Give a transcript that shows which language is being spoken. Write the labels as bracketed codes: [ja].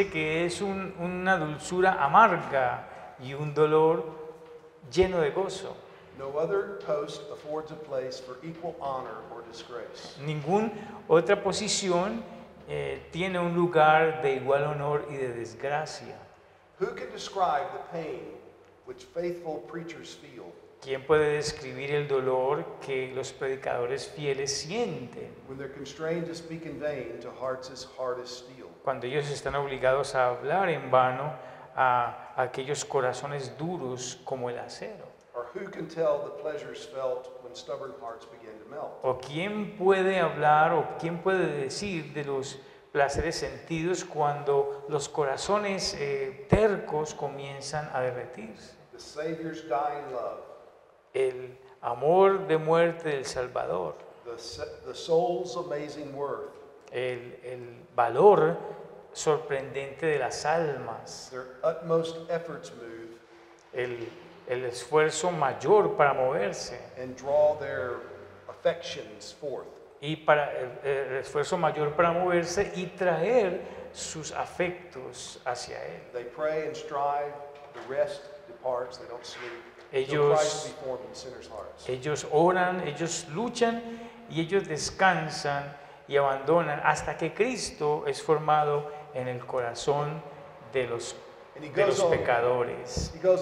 [es] Dice que es una dulzura amarga y un dolor lleno de gozo. [en] No other post affords a place for equal honor or disgrace. [es] Ninguna otra posición tiene un lugar de igual honor y de desgracia. [en] Who can describe the pain which faithful preachers feel? [es] ¿Quién puede describir el dolor que los predicadores fieles sienten? [en] When they're constrained to speak in vain to hearts as hard as steel. [es] Cuando ellos están obligados a hablar en vano a aquellos corazones duros como el acero. [en] Or who can tell the pleasures felt when stubborn hearts begin to melt? [es] ¿O quién puede hablar o quién puede decir de los placeres sentidos cuando los corazones tercos comienzan a derretirse? [en] The Savior's dying love. [es] El amor de muerte del Salvador. [en] The soul's amazing worth. [es] El valor sorprendente de las almas. [en] Their utmost efforts move. [es] El esfuerzo mayor para moverse. [en] And draw their affections forth. [es] Y para el esfuerzo mayor para moverse y traer sus afectos hacia él. [en] They pray and strive, the rest departs, they don't sleep. [es] Ellos oran, ellos luchan y ellos descansan y abandonan hasta que Cristo es formado en el corazón de los pecadores.